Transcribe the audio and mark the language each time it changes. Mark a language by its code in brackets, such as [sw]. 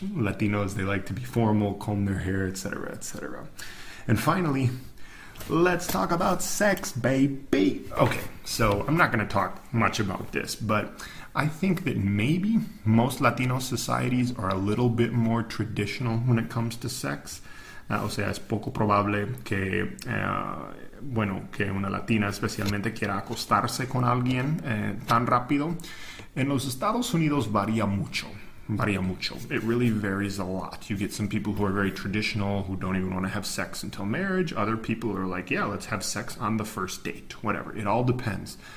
[en] Latinos, they like to be formal, comb their hair, etc., etc. And finally, let's talk about sex, baby. Okay, so I'm not going to talk much about this, but I think that maybe most Latino societies are a little bit more traditional when it comes to sex. [es] O sea, es poco probable que una Latina especialmente quiera acostarse con alguien tan rápido. En los Estados Unidos varía mucho. Varía mucho. [en] It really varies a lot. You get some people who are very traditional, who don't even want to have sex until marriage. Other people are like, yeah, let's have sex on the first date. Whatever. It all depends.